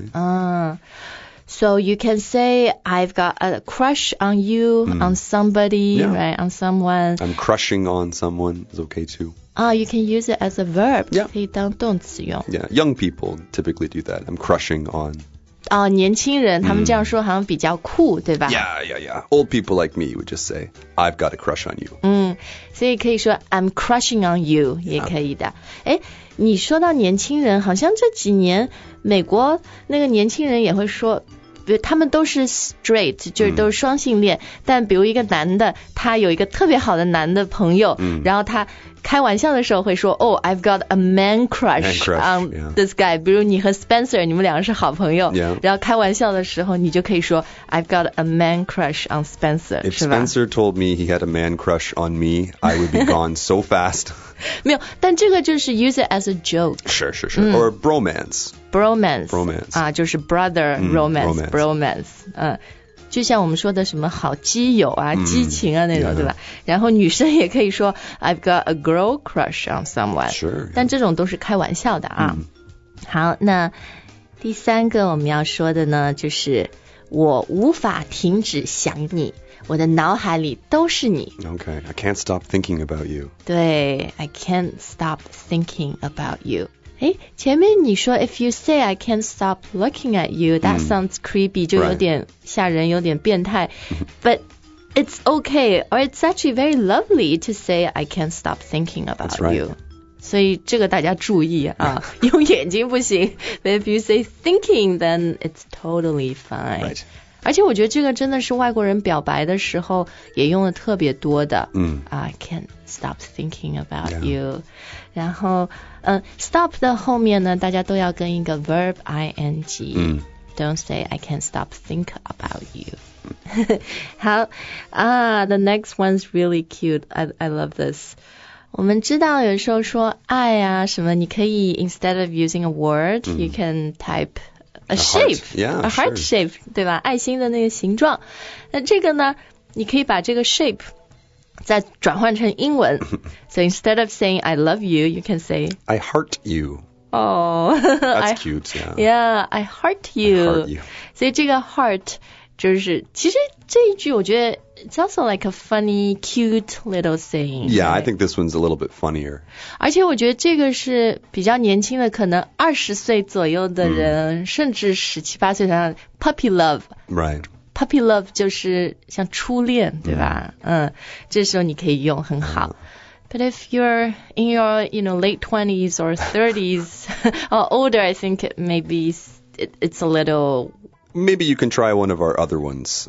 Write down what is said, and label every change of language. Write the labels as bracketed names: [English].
[English] Right? So you can say I've got a crush on you, on somebody,、right, on someone. I'm crushing on someone is okay too. You can use it as a verb. Yeah. [Chinese] 可以当动词用。 [English] Yeah, young people typically do that. I'm crushing on. [Chinese] 年轻人、他们这样说好像比较酷，对吧？ [English] Yeah, yeah, yeah. Old people like me would just say, I've got a crush on you. [Chinese] 所以可以说 [English] I'm crushing on you [Chinese] 也可以的。你说到年轻人，好像这几年美国那个年轻人也会说，他们都是 straight, 就是都是双性恋、但比如一个男的，他有一个特别好的男的朋友、然后他开玩笑的时候会说 [English] Oh, I've got a man crush, on this guy. [Chinese] 比如你和 Spencer, 你们两个是好朋友、 [English] yeah. [Chinese] 然后开玩笑的时候你就可以说 [English] I've got a man crush on Spencer. If Spencer told me he had a man crush on me, I would be gone so fast. [Chinese] 没有，但这个就是 [English] use it as a joke. Sure, sure, sure.、Or bromance. Bromance. Bromance. [Chinese] 就是 [English] brother romance. Bromance. [Chinese] 就像我们说的什么好基友啊、激情啊那种，对吧？然后女生也可以说 [English] I've got a girl crush on someone. Sure. [Chinese] 但这种都是开玩笑的啊。好，那第三个我们要说的呢，就是我无法停止想你，我的脑海里都是你。 [English] Okay, I can't stop thinking about you. 对 ，I can't stop thinking about you. [Chinese] 诶，前面你说 [English] if you say I can't stop looking at you, that sounds creepy, [Chinese] 就有点吓人、 [English] right. [Chinese] 有点变态 [English] but it's okay, or it's actually very lovely to say I can't stop thinking about、 right. you. [Chinese] 所以这个大家注意啊用眼睛不行 [English] but if you say thinking, then it's totally fine.、 Right. [Chinese] 而且我觉得这个真的是外国人表白的时候也用的特别多的。 [English] I can't stop thinking about、 yeah. you. [Chinese] 然后stop 的后面呢大家都要跟一个 [English] verb ing.、Don't say I can't stop think about you. [Chinese] 好啊、 [English] the next one's really cute. I love this. [Chinese] 我们知道有时候说爱啊什么你可以 [English] instead of using a word,、you can type,A shape, a heart shape, [Chinese] 对吧？爱心的那个形状。那这个呢，你可以把这个 shape 再转换成英文。 [English] So instead of saying I love you, you can say I heart you. Oh, that's cute. Yeah, I heart you. I heart you. [Chinese] 所以这个 heart 就是，其实这一句我觉得 [English] it's also like a funny, cute little thing. Yeah, I think this one's a little bit funnier. [Chinese] 而且我觉得这个是比较年轻的，可能二十岁左右的人，甚至十七八岁的 puppy love. [English] Right. [Chinese] Puppy love 就是像初恋，对吧？这时候你可以用很好。 [English] But if you're in your, you know, late 20s or 30s or older, I think maybe it's a little... Maybe you can try one of our other ones.